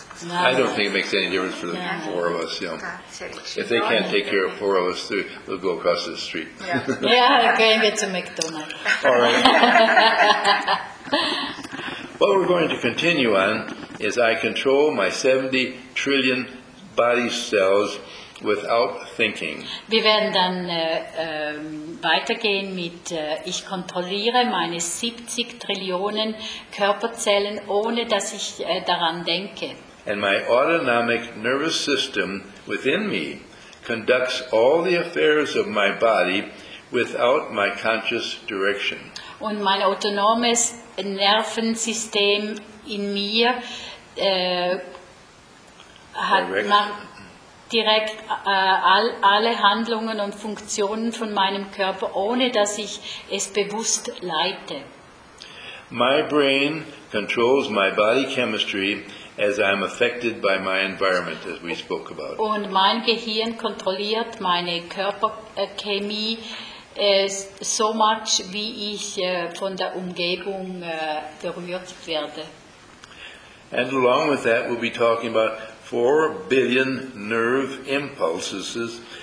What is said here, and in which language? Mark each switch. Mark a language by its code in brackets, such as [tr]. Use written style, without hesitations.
[en] I don't think it makes any difference for the four of us. You know. If they can't take care of four of us, we'll go across the street. [de] Yeah, gehen wir zu McDonald's. [en] All right. What we're going to continue on is I control my 70 trillion body cells without thinking. [de] Wir werden dann weitergehen mit ich kontrolliere meine 70 Trillionen Körperzellen ohne dass ich daran denke. [en] And my autonomic nervous system within me conducts all the affairs of my body without my conscious direction. [de] Und mein autonomes Nervensystem in mir hat direkt alle Handlungen und Funktionen von meinem Körper, ohne dass ich es bewusst leite. [en] My brain controls my body chemistry as I am affected by my environment, as we spoke about. [de] Und mein Gehirn kontrolliert meine Körperchemie. [en] So much, [de] wie ich von der Umgebung berührt werde. [en] And along with that, we'll be talking about 4 billion nerve impulses.